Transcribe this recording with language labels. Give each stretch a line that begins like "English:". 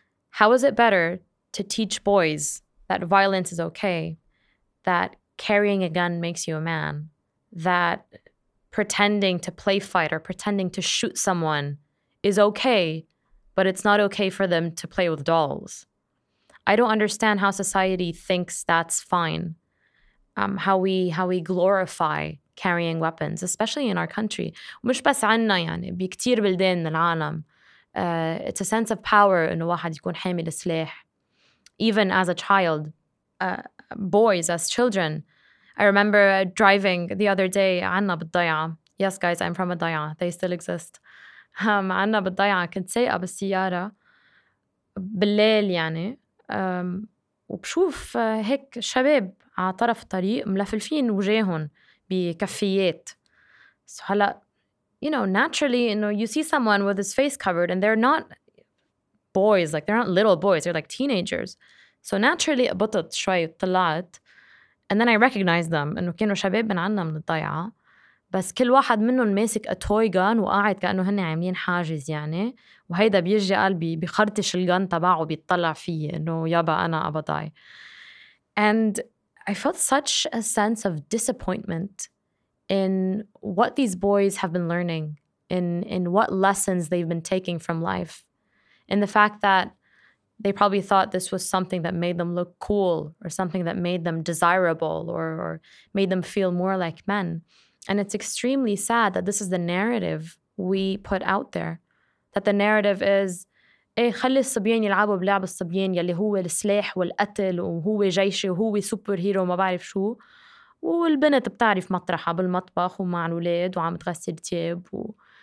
English: How is it better to teach boys that violence is okay, that carrying a gun makes you a man, that pretending to play fight or pretending to shoot someone is okay, but it's not okay for them to play with dolls? I don't understand how society thinks that's fine. How we glorify carrying weapons, especially in our country.
Arabic: مش بس عنا يعني بكتير بلدان العالم.
English: It's a sense of power
Arabic: إنه واحد يكون حامل سلاح.
English: Even as a child, boys as children. I remember driving the other day
Arabic: عنا بالضيعة.
English: Yes, guys, I'm from a ضيعة. They still exist.
Arabic: عنا بالضيعة كنت سايقة بالسيارة بالليل يعني. وبشوف هيك شباب على طرف الطريق ملففين وجههم بكفيات.
English: So هلا, you know, naturally, you know, you see someone with his face covered and they're not boys, like they're not little boys, they're like teenagers. So naturally,
Arabic: قبطت شوي طلعت
English: and then I recognized them
Arabic: انه كانوا شباب من عندنا من الضيعة, بس كل واحد منهم ماسك
English: a toy gun
Arabic: وقاعد كأنه هن عاملين حاجز يعني, وهيدا بيجي قلبي بيخرطش الجن تبعه وبيطلع فيه انه يابا انا ابضاي.
English: And I felt such a sense of disappointment in what these boys have been learning, in what lessons they've been taking from life, in the fact that They probably thought this was something that made them look cool or something that made them desirable or made them feel more like men. And it's extremely sad that this is the narrative we put out there. That the narrative is,
Arabic: إيه خلي الصبيان يلعبوا بلعب الصبيان يلي هو السلاح والقتل وهو جيشي وهو سوبر هيرو ما بعرف شو والبنت بتعرف مطرحها بالمطبخ ومع الولاد وعم تغسل تياب و...